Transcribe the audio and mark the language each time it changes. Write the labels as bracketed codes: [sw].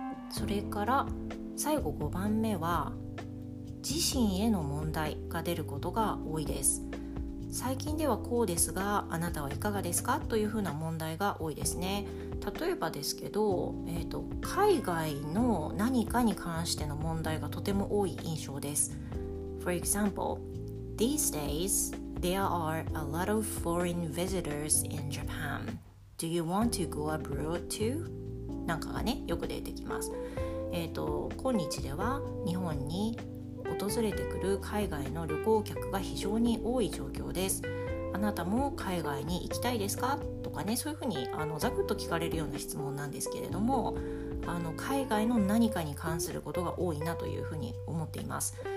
[ja] それから最後5番目は自身への問題が出ることが多いです。最近ではこうですが、あなたはいかがですか？というふうな問題が多いですね。例えばですけど、海外の何かに関しての問題がとても多い印象です。 [en] For example, these days, there are a lot of foreign visitors in Japan. Do you want to go abroad too? [ja] なんかがね、よく出てきます。今日では日本に訪れてくる海外の旅行客が非常に多い状況です。あなたも海外に行きたいですか？とかね、そういうふうにザクッと聞かれるような質問なんですけれども、海外の何かに関することが多いなというふうに思っています。